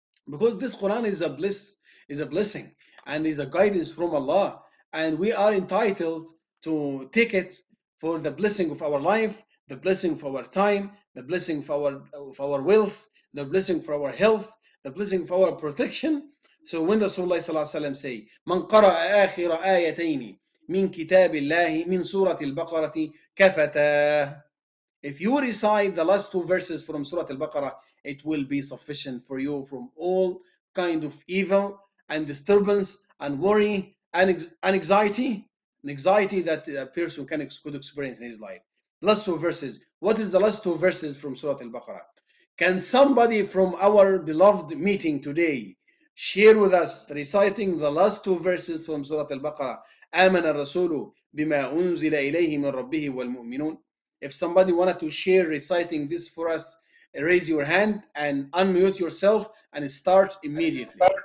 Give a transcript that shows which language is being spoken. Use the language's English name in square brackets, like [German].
[English] Because this Quran is a bliss, is a blessing, and is a guidance from Allah. And we are entitled to take it for the blessing of our life, the blessing of our time, the blessing of our wealth, the blessing for our health, the blessing for our protection. So when Rasulullah [Arabic] صلى الله عليه وسلم [English] say, [Arabic] من قرأ آخر آيتين من كتاب الله من سورة البقرة كفتا. [English] If you recite the last two verses from Surah Al-Baqarah, it will be sufficient for you from all kind of evil and disturbance and worry and anxiety that a person could experience in his life. Last two verses. What is the last two verses from Surah Al-Baqarah? Can somebody from our beloved meeting today share with us reciting the last two verses from Surah Al-Baqarah? [Arabic] آمن الرسول بما أنزل إليه من ربه والمؤمنون. [English] If somebody wanted to share reciting this for us, raise your hand and unmute yourself and start immediately.